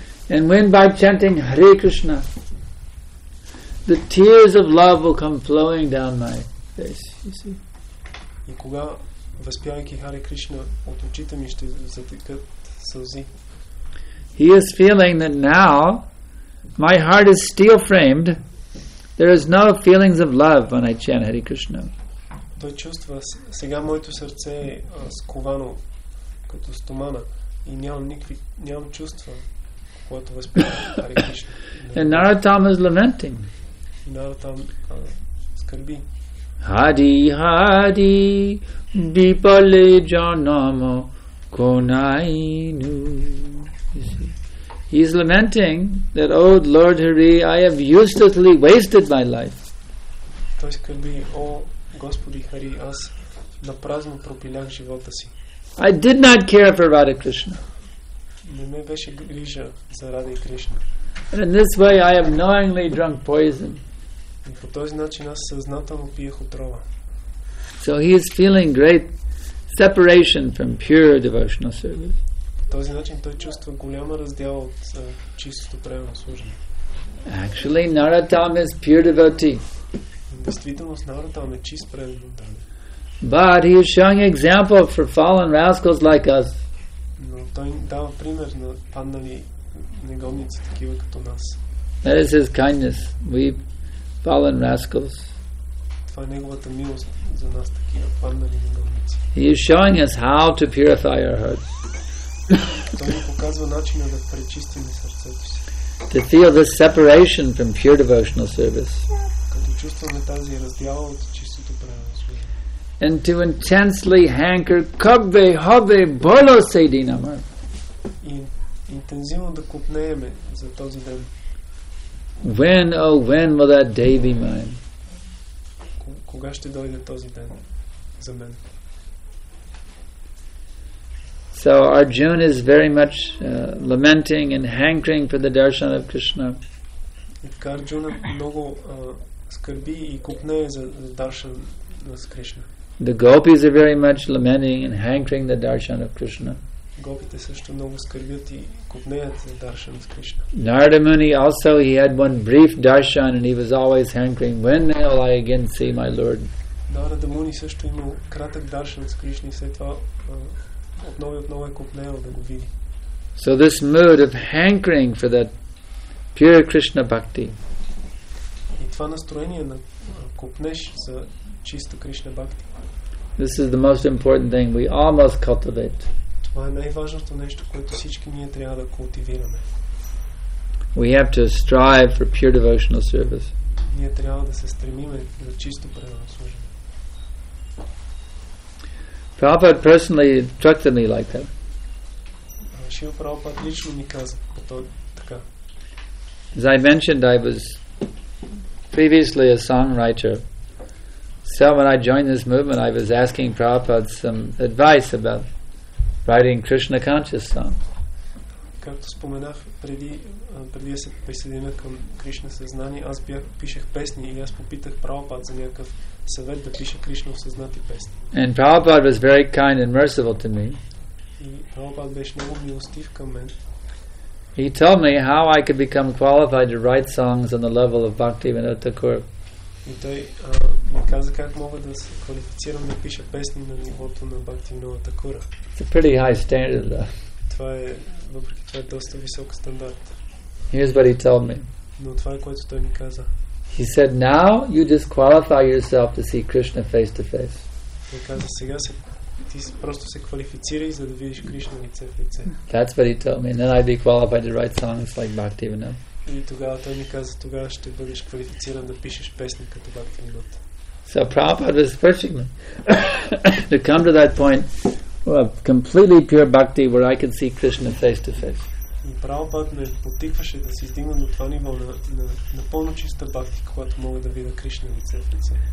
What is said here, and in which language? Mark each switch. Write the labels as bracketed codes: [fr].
[en] And when by chanting Hare Krishna the tears of love will come flowing down my face, you see? [bg] И кога възпявайки Хари Кришна, от очите ми ще затекат сълзи. [en] He is feeling that now my heart is steel framed. There is no feelings of love when I chant Hari Krishna. [bg] Той чувства, сега моето сърце е сковано като стомана и нямам чувства, когато възпявам Хари Кришна. [en] And Narottam is lamenting. [bg] Narottam скърби. [bn] Hari Hari Bipale janamo konainu. [en] He is lamenting that, oh Lord Hari, I have uselessly wasted my life. [bg] Той скърби, о Господи Хари, аз напразно пропилях живота си. [en] I did not care for Radha Krishna. [bg] Не ме беше грижа за Радха Кришна. [en] And in this way I have knowingly drunk poison. [bg] И по този начин аз съзнателно пиех отрова. [en] So he is feeling great separation from pure devotional service. [bg] Този начин той чувства голяма раздяла от чистото правилно служение. [en] Actually, Narottam is pure devotee. [bg] В действителност Narottam е чист преданник. [en] But he is showing example for fallen rascals like us. [bg] Но той дава пример на паднали негодници такива като нас. [en] That is his kindness. We fallen rascals. [bg] Това е неговата милост за нас такива паднали негодници. [en] He is showing us how to purify our hearts. [bg] Той ни показва начина да пречистим сърцето си. [en] To feel this separation from pure devotional service. [bg] Като чувстваме тази раздяла от чистото правилно служение. [en] And to intensely hanker [bn] kagve habe bolo sedi namar. [bg] Intensivno da kupnejeme za tozi den. [en] When, oh when will that day be mine? [bg] Koga ste dojde tozi den za men? [en] So Arjuna is very much lamenting and hankering for the darshan of Krishna. [bg] Arjuna mnogo skrbi i kupneje za darshan nas Krishna. [en] The gopis are very much lamenting and hankering the darshan of Krishna. [bg] Gopite също много скърбят и купнеят за darshan с Krishna. [en] Narada Muni also, he had one brief darshan and he was always hankering, when will I again see my Lord? [bg] Narada Muni също има кратък darshan с Krishna и след това отново и отново е купнеял да го види. [en] So this mood of hankering for that pure Krishna bhakti. [bg] И това настроение на купнеш за чиста Кришна бхакти. [en] This is the most important thing we all must cultivate. [bg] Това е най-важното нещо, което всички ние трябва да култивираме. [en] We have to strive for pure devotional service. [bg] Ние трябва да се стремим за чисто преданно служение. [en] Prabhupada personally instructed me like that. [bg] Шрила Прабхупада лично ми каза по този така. [en] As I mentioned, I was previously a songwriter. So when I joined this movement, I was asking Prabhupada some advice about writing Krishna conscious songs. [bg] Както споменах преди да се присъединя към Кришна съзнание, аз пишех песни и аз попитах Прабхупада за някакъв съвет да пиша Кришна осъзнати песни. [en] And Prabhupada was very kind and merciful to me. [bg] И Прабхупада беше много милостив към мен. [en] He told me how I could become qualified to write songs on the level of Bhaktivinoda Thakur. [bg] И той ми каза как мога да се квалифицирам да пиша песни на нивото на Бхактивинода Такура. [en] It's a pretty high standard, though. [bg] Това е, въпреки това е доста висок стандарт. [en] Here's what he told me. [bg] Но това е което той ми каза. [en] He said, now you disqualify yourself to see Krishna face to face. [bg] Той каза, сега ти просто се квалифицирай, за да видиш Кришна лице в лице. [en] That's what he told me. And then I'd be qualified to write songs like Bhaktivinoda. [bg] И тогава той ми каза, тогава ще бъдеш квалифициран да пишеш песни като Бхактивинода. [en] So Prabhupada was pushing me to come to that point of completely pure bhakti where I could see Krishna face to face. [bg] И Prabhupada ме потикваше да се издигна до това ниво на пълно чиста бхакти, когато мога да видя Кришна лице в лице.